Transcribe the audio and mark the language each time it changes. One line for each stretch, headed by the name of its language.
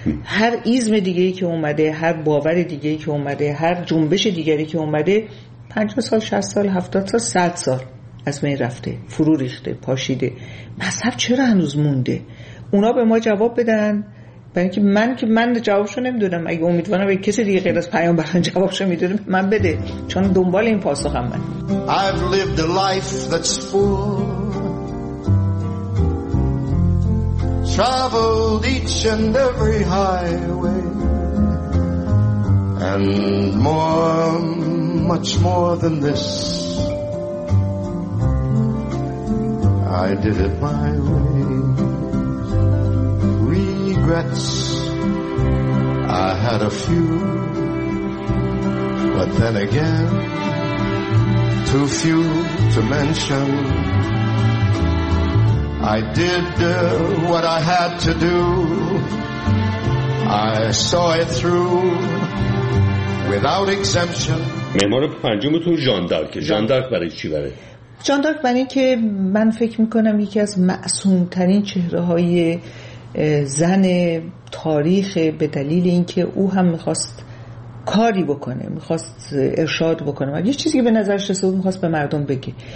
Persian: هر ایزم دیگه ای که اومده، هر باور دیگه ای که اومده، هر جنبش دیگری که اومده، 50 سال، 60 سال، 70 سال، 100 سال از بین رفته، فرو ریخته، پاشیده. مذهب چرا هنوز مونده؟ اونا به ما جواب بدن، برای اینکه من جوابشو نمیدونم. اگه امیدوارم به کسی دیگه غیر از پیامبران جوابشو میدونم، من بده، چون دنبال این پاسخم من.
English: I've lived a life that's full. Traveled each and every highway and more, much more than this. I did it my way. Regrets I had a few, but then again, too few to mention. I did what I had to do. I saw it through without exemption.
Persian: معمار پنجمتون ژان دارک. ژان دارک برای چی بره؟ ژان دارک برای این که من فکر میکنم یکی از معصومترین چهره های زن تاریخ، به دلیل اینکه او هم میخواست کاری بکنه، میخواست ارشاد بکنه، یه چیزی که به نظرش رسید میخواست به مردم بگه.